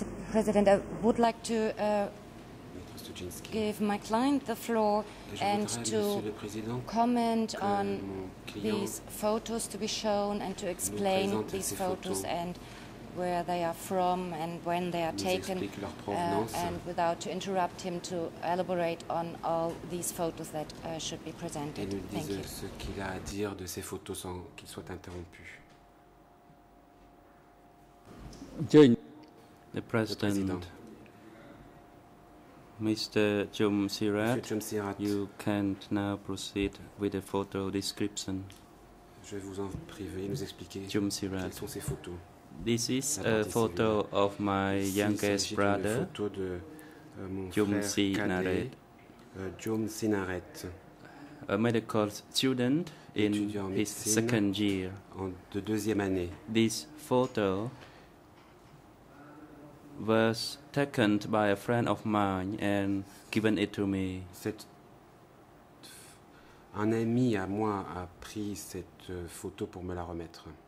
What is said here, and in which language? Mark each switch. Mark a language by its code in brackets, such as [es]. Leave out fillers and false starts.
[en] President, I would like to give my client the floor and to comment on these photos to be shown and to explain these photos and where they are from and when they are taken, and without to interrupt him, to elaborate on all these photos that should be presented. Thank you. [fr] Ce qu'il a à dire de ces photos sans qu'il soit interrompu. [en] The President, Mr. Chum Sirath, you can now proceed with the photo description. [fr] Je vais vous en prier, nous expliquer quelles sont ces photos. [en] This is a photo of my youngest brother, Chum Sinaret. Chum Sinaret, a medical student in his second year. [fr] De deuxième année. [en] This photo was taken by a friend of mine and given it to me. [fr] Un ami à moi a pris cette photo pour me la remettre.